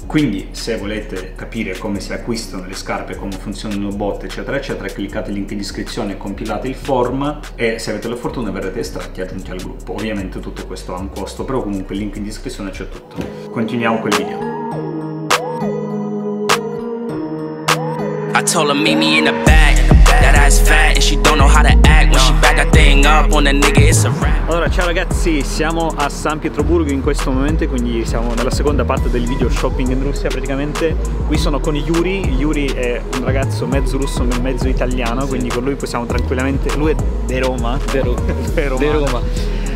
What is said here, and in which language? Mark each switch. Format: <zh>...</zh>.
<it>Quindi se volete capire come si acquistano le scarpe, come funzionano bot, eccetera eccetera, cliccate il link in descrizione, compilate il form e se avete la fortuna verrete estratti, aggiunti al gruppo. Ovviamente tutto questo ha un costo, però comunque il link in descrizione c'è tutto. Continuiamo con il video.</it> <en>I told her meet me in the back, that ass fat and she don't know how to act when she back a thing up on a nigga, it's a rap.</en> <it>Allora, ciao ragazzi, siamo a San Pietroburgo in questo momento, quindi siamo nella seconda parte del video shopping in Russia. Praticamente qui sono con Yuri. Yuri è un ragazzo mezzo russo mezzo italiano, sì. Quindi con lui possiamo tranquillamente, lui è de Roma, de Roma.</it>